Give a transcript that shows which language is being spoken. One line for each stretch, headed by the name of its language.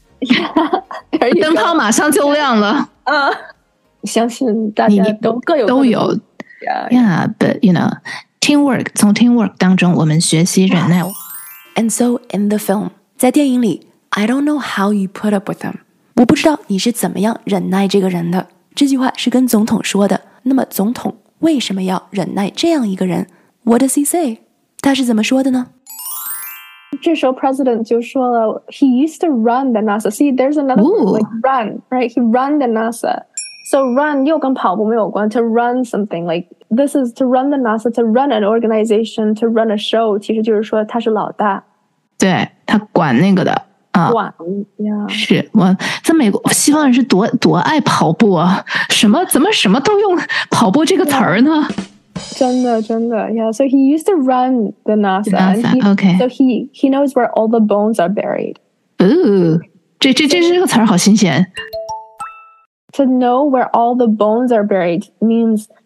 English: Yeah,
Chinese: 灯泡马上就亮了。相信大家都各有都有。
English: Yeah, but you know.
Chinese: Teamwork, 从 teamwork 当中我们学习忍耐。
English: And so in the film,
Chinese: 在电影里
English: I don't know how you put up with them.
Chinese: 我不知道你是怎么样忍耐这个人的。这句话是跟总统说的。那么总统为什么要忍耐这样一个人？
English: What does he say?
Chinese: 他是怎么说的呢？这时候
English: president
Chinese: 就说了
English: He used to run the NASA. See, there's another one, like run, right? He run the NASA. So run
Chinese: 又跟跑步没有关
English: to run something likeThis is to run the NASA, to run an organization, to run a show.
Chinese: 其实就是说他是老大。对，他管那个的。管。Yeah. 是，我在美国，西方人是多爱跑步啊。什么，怎么什么都用跑步这个词儿呢？真的，真的。
English: Yeah, so he used to run the NASA. Okay. So he knows where all the bones are buried.
Chinese: Ooh, 这个词儿好新鲜。
English: To know where all the bones are buried means...